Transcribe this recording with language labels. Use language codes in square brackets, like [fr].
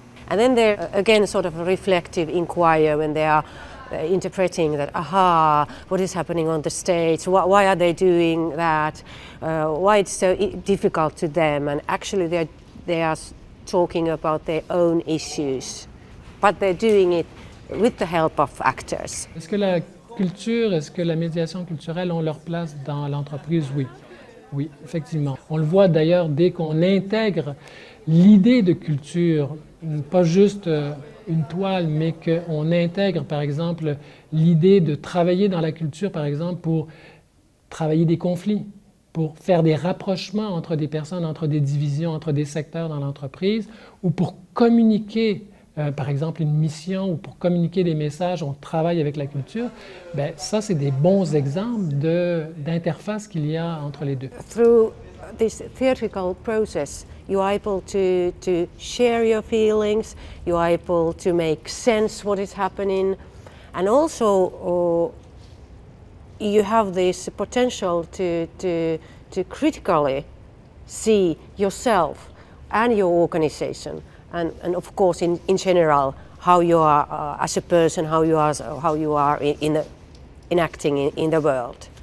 [en] And then they're again sort of a reflective inquiry when they are interpreting that, aha, what is happening on the stage, why are they doing that, why it's so difficult to them, and actually they are talking about their own issues, but they're doing it with the help of actors. [fr] Est-ce que la culture, est-ce que la médiation culturelle ont leur place dans l'entreprise? Oui. Oui, effectivement. On le voit d'ailleurs dès qu'on intègre l'idée de culture, pas juste une toile, mais qu'on intègre, par exemple, l'idée de travailler dans la culture, par exemple, pour travailler des conflits, pour faire des rapprochements entre des personnes, entre des divisions, entre des secteurs dans l'entreprise, ou pour communiquer, par exemple, une mission, ou pour communiquer des messages, on travaille avec la culture. Ben, ça, c'est des bons exemples d'interface qu'il y a entre les deux. [en] Through this theatrical process, you are able to share your feelings, you are able to make sense what is happening, and also you have this potential to critically see yourself and your organization, and of course in general how you are as a person, how you are in acting in the world.